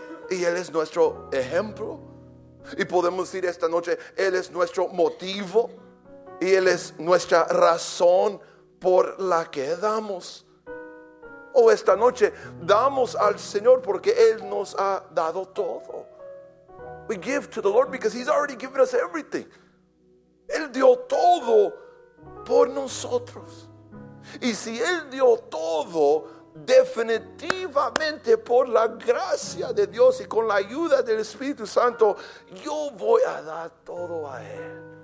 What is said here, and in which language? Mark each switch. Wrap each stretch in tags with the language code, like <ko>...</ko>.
<es>Y Él es nuestro ejemplo. Y podemos decir esta noche: Él es nuestro motivo. Y Él es nuestra razón por la que damos. o esta noche damos al Señor porque Él nos ha dado todo.</es> <en>We give to the Lord because He's already given us everything.</en> <es>Él dio todo por nosotros. Y si Él dio todo definitivamente por la gracia de Dios y con la ayuda del Espíritu Santo, yo voy a dar todo a Él.</es>